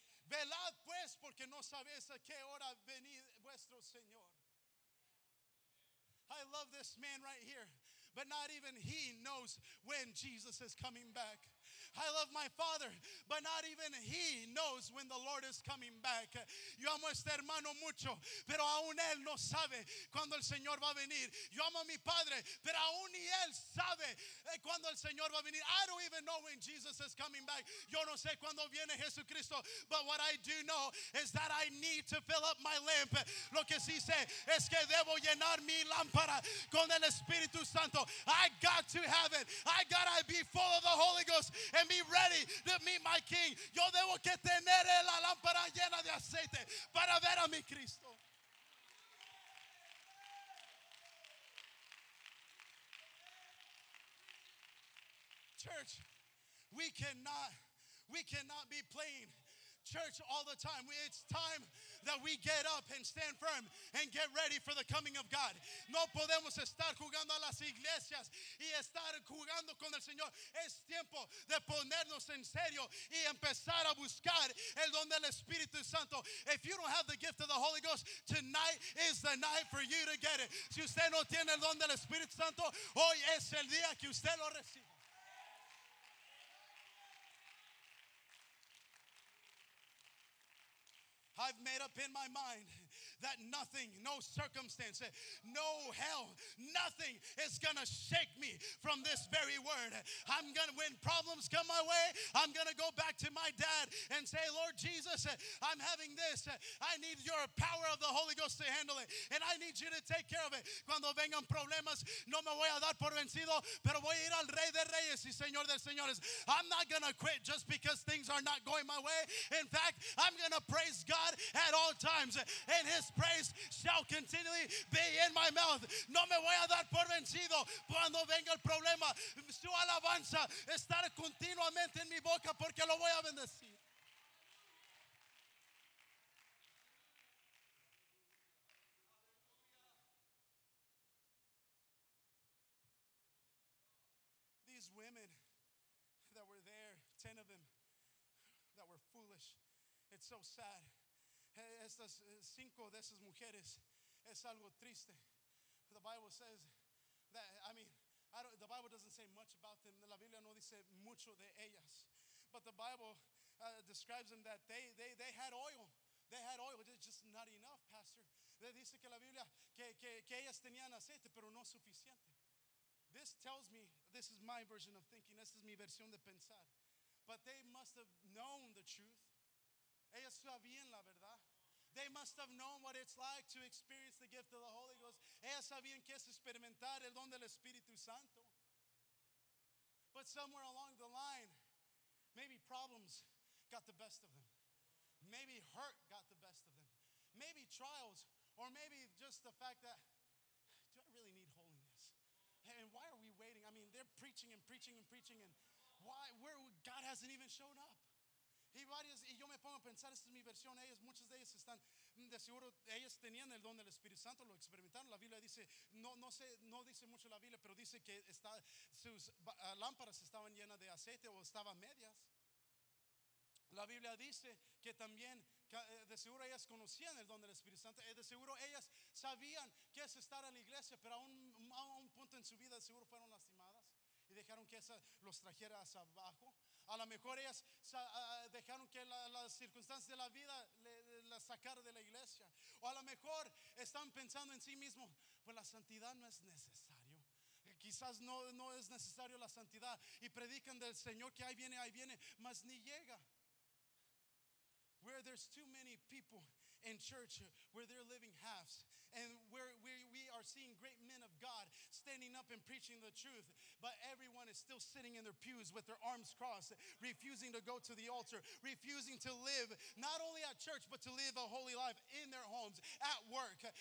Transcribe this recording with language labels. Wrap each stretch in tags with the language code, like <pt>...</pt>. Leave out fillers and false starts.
<es>Velad pues, porque no sabéis a qué hora venir vuestro Señor.</es> <en>I love this man right here, but not even he knows when Jesus is coming back. I love my father, but not even he knows when the Lord is coming back.</en> <es>Yo amo a este hermano mucho, pero aún él no sabe cuando el Señor va a venir. Yo amo a mi padre, pero aún ni él sabe cuando el Señor va a venir.</es> <en>I don't even know when Jesus is coming back.</en> <es>Yo no sé cuando viene Jesucristo,</es> <en>but what I do know is that I need to fill up my lamp.</en> <es>Lo que sí sé es que debo llenar mi lámpara con el Espíritu Santo.</es> <en>I got to have it. I gotta be full of the Holy Ghost and be ready to meet my King.</en> <es>Yo debo que tener la lámpara llena de aceite para ver a mi Cristo.</es> <en>Church, we cannot be playing church all the time. It's time that we get up and stand firm and get ready for the coming of God.</en> <es>No podemos estar jugando a las iglesias y estar jugando con el Señor. Es tiempo de ponernos en serio y empezar a buscar el don del Espíritu Santo.</es> <en>If you don't have the gift of the Holy Ghost, tonight is the night for you to get it.</en> <es>Si usted no tiene el don del Espíritu Santo, hoy es el día que usted lo recibe.</es> <en>I've made up in my mind that nothing, no circumstance, no hell, nothing is gonna shake me from this very word. I'm gonna, when problems come my way, I'm gonna go back to my dad and say, Lord Jesus, I'm having this. I need your power of the Holy Ghost to handle it. And I need you to take care of it.</en> <es>Cuando vengan problemas, no me voy a dar por vencido, pero voy a ir al Rey de Reyes y Señor de Señores.</es> <en>I'm not gonna quit just because things are not going my way. In fact, I'm gonna praise God at all times, and his praise shall continually be in my mouth.</en> <es>No me voy a dar por vencido cuando venga el problema. Su alabanza estará continuamente en mi boca porque lo voy a bendecir.</es> <en>These women that were there, 10 of them, that were foolish. It's so sad.</en> <es>Estas cinco de esas mujeres es algo triste.</es> <en>The Bible says that, the Bible doesn't say much about them.</en> <es>La Biblia no dice mucho de ellas.</es> <en>But the Bible describes them that they had oil. They had that oil is just not enough, Pastor. They</en> <es>dice que la Biblia que ellas tenían aceite, pero no suficiente.</es> <en>This tells me, this is my version of thinking, this is</en> <es>mi versión de pensar.</es> <en>But they must have known the truth.</en> <es>Ellas sabían la verdad.</es> <en>They must have known what it's like to experience the gift of the Holy Ghost.</en> <es>Ellas sabían que es experimentar el don del Espíritu Santo.</es> <en>But somewhere along the line, maybe problems got the best of them. Maybe hurt got the best of them. Maybe trials, or maybe just the fact that, do I really need holiness? And why are we waiting? I mean, they're preaching and preaching and preaching, and why? Where God hasn't even shown up.</en> <es>Y varias, y yo me pongo a pensar, esta es mi versión, ellas, muchas de ellas están, de seguro, ellas tenían el don del Espíritu Santo, lo experimentaron, la Biblia dice, no dice mucho la Biblia, pero dice que está, sus lámparas estaban llenas de aceite o estaban medias. La Biblia dice que también, de seguro ellas conocían el don del Espíritu Santo, de seguro ellas sabían qué es estar en la iglesia, pero a un punto en su vida de seguro fueron lastimadas. Y dejaron que esa los trajera hacia abajo. A lo mejor ellas dejaron que las circunstancias de la vida la sacara de la iglesia. O a lo mejor están pensando en sí mismos, pues la santidad no es necesario. Quizás no es necesario la santidad. Y predican del Señor que ahí viene, mas ni llega.</es> <en>Where there's too many people in church where they're living halves, and where we are seeing great men of God standing up and preaching the truth, but everyone is still sitting in their pews with their arms crossed, refusing to go to the altar, refusing to live not only at church but to live a holy life in their homes, at work.</en>